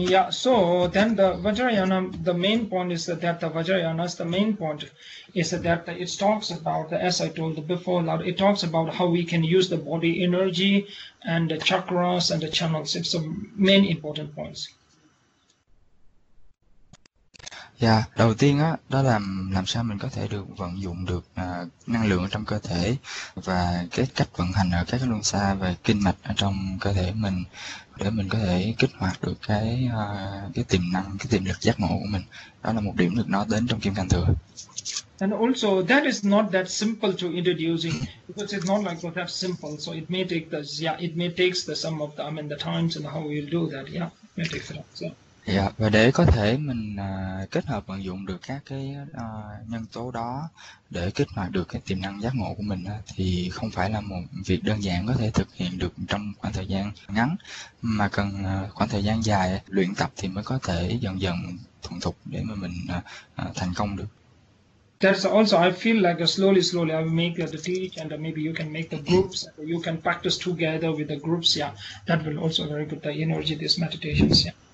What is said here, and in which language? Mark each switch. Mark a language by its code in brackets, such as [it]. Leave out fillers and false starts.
[en] So then the Vajrayana, the main point is that the Vajrayana is the main point is that it talks about the as I told you before that it talks about how we can use the body energy and the chakras and the channels. It's the main important points. [vi] Dạ, đầu tiên á, đó là làm sao mình có thể được vận dụng được năng lượng trong cơ thể và cái cách vận hành ở các luân xa và kinh mạch ở trong cơ thể mình để mình có thể kích hoạt được cái tiềm năng, cái tiềm lực giác ngộ của mình. Đó là một điểm được nói đến trong Kim Cang Thừa. [en] And also that is not that simple to introducing because it's not like what that simple. So it may take the yeah, it may takes the some of the I mean the times and how you'll do that. Yeah, may take it up. So. [vi] Dạ, và để có thể mình kết hợp vận dụng được các cái nhân tố đó để kích hoạt được cái tiềm năng giác ngộ của mình thì không phải là một việc đơn giản có thể thực hiện được trong khoảng thời gian ngắn mà cần khoảng thời gian dài luyện tập thì mới có thể dần dần thuần thục để mà mình thành công được. [en] That's also I feel like slowly, slowly I will make the teach and maybe you can make the groups. You can practice together with the groups. Yeah, that will also very good the energy this meditations.